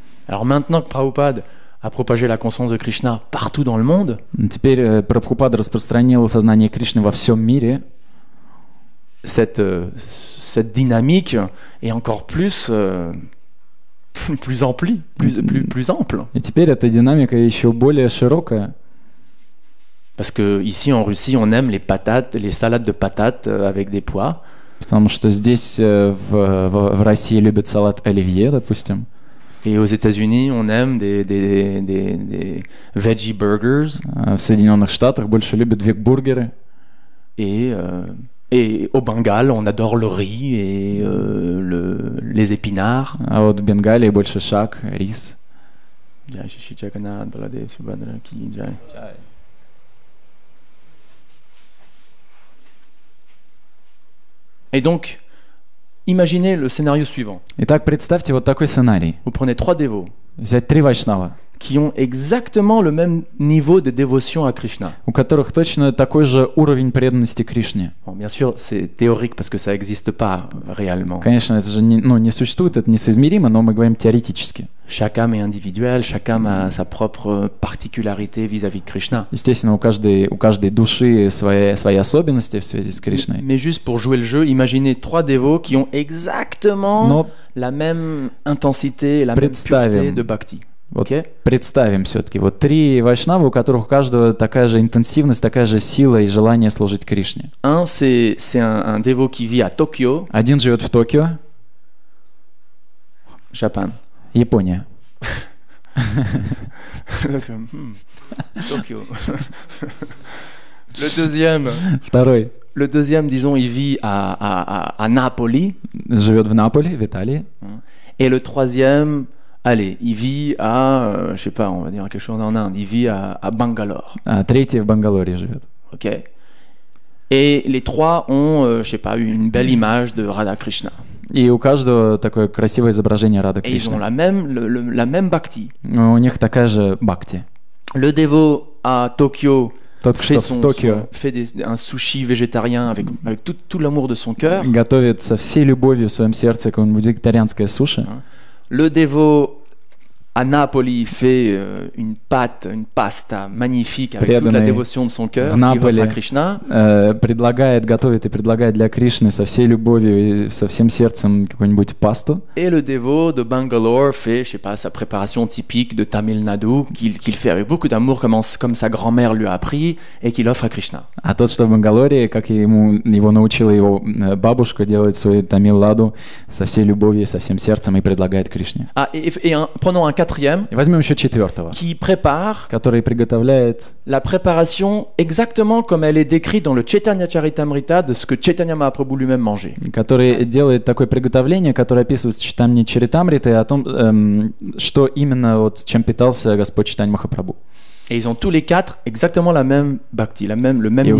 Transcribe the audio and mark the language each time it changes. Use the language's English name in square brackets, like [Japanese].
[French] Alors maintenant que Prabhupada a propagé la conscience de Krishna partout dans le monde. [Russian] Теперь Прабхупада распространил сознание Кришны во всем мире. [French] Cette dynamique est encore plus plus ample. [Russian] Et теперь эта динамика еще более широкая. [French] Parce que ici en Russie, on aime les patates, les salades de patates avec des pois. [Russian] Потому что здесь в России любят салат оливье, допустим. [French] Et aux États-Unis, on aime des veggie burgers. [Russian] В Соединенных Штатах больше любят вегбургеры. [French] Et au Bengale, on adore le riz et les épinards. [Russian] А вот в Бенгалии больше шак, рис. Джай, Шри Джаганнат, Баладев, Субхадра, Ки, Джай. Джай. [French] Et donc, imaginez le scénario suivant. [Russian] Итак, представьте вот такой сценарий. [French] Vous prenez trois dévots. [Russian] Взять три вайшнава. [French] Qui ont exactement le même niveau de dévotion à Krishna. [Russian] У которых точно такой же уровень преданности Кришне. [French] Bon, bien sûr, c'est théorique parce que ça n'existe pas réellement. [Russian] Конечно, это же не существует, это несоизмеримо, но мы говорим теоретически. [French] Chaque âme est individuelle, chaque âme a sa propre particularité vis-à-vis de Krishna. [Russian] Естественно, у каждой души свои особенности в связи с Кришной. [French] Mais juste pour jouer le jeu, imaginez trois dévots qui ont exactement la même intensité et la même pureté de bhakti. [Russian] Вот okay. Представим все-таки вот три вайшнавы, у которых у каждого такая же интенсивность, такая же сила и желание служить Кришне. [French] Un dévot qui vit à Tokyo. [Russian] Один живет в Токио. [English] Japan. [Russian] Япония. [French] Токио. Le deuxième. [Russian] Второй. [French] Le deuxième, disons, il vit à Napoli. [Russian] Живет в Наполе, в Италии. [French] Et le troisième. Allez, il vit à, je sais pas, on va dire quelque chose en Inde, il vit à Bangalore. [Russian] Ah, третий в Бангалоре живет. [English] OK. [French] Et les trois ont, je sais pas, une belle image de Radha Krishna. [Russian] Et у каждого такое красивое изображение Радха Кришны. [French] Ils ont la même bhakti. [Russian] У них такая же бхакти. [French] Le dévot à Tokyo. [Russian] Тот, кто в Токио. [French] Fait un sushi végétarien avec tout l'amour de son cœur. [Russian] Готовит со всей любовью в своем сердце какое-нибудь вегетарианское суши. [French] Le dévot à Napoli fait une pâte, une pasta magnifique avec [Russian] Преданный [French] toute la dévotion de son cœur [Russian] Наполе, [French] qui offre à Krishna. [Russian] Предлагает, готовит и предлагает для Кришны со всей любовью и со всем сердцем какую-нибудь пасту. [French] Et le dévot de Bangalore fait, je sais pas, sa préparation typique de Tamil Nadu qu'il fait avec beaucoup d'amour comme sa grand-mère lui a appris et qu'il offre à Krishna. [Russian] А тот, что в Бангалоре, как его научила его бабушка, делает свой Tamil Nadu со всей любовью, со всем сердцем и предлагает Кришне. [French] Prenons un quatrième, [Russian] et возьмем еще четвертого, [French] qui prépare, [Russian] который приготовляет [French] la préparation exactement comme elle est décrite dans le Chaitanya Charitamrita de ce que Chaitanya Mahaprabhu lui-même mangeait. [Russian] Который делает такое приготовление, которое описывается в Чайтанья Чаритамрите о том, что именно вот чем питался Господь Чайтанья Махапрабху. [French] Et ils ont tous les quatre exactement la même bhakti, le même niveau,